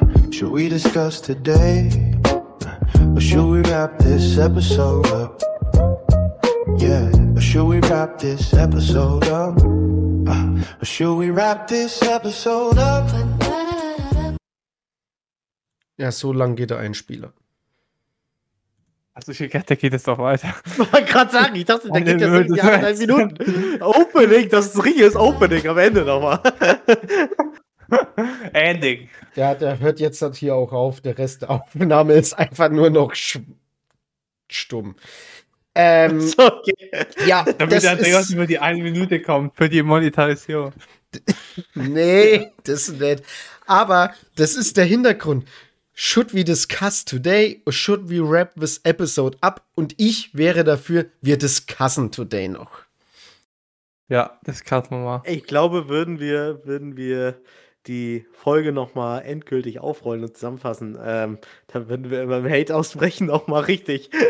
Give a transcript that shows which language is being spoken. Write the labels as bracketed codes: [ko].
[en] Should we discuss today? Or should we wrap this episode up? Yeah, or should we wrap this episode up? Or should we wrap this episode up? [de] Ja, so lang geht der Einspieler. Also ich dachte, da geht es doch weiter. Wollte ich gerade sagen, ich dachte, da geht es jetzt irgendwie 1,5 Minuten. Opening, das ist richtiges Opening am Ende nochmal. Ending. Ja, der hört jetzt halt hier auch auf, der Rest der Aufnahme ist einfach nur noch stumm. Okay. Ja, damit das der Dreh über die 1 Minute kommt für die Monetarisierung. Nee, das ist nett. Aber das ist der Hintergrund. [en] Should we discuss today or should we wrap this episode up? [de] Und ich wäre dafür, wir discussen today noch. Ja, discussen wir mal. Ich glaube, würden wir die Folge nochmal endgültig aufrollen und zusammenfassen, dann würden wir beim Hate ausbrechen nochmal richtig.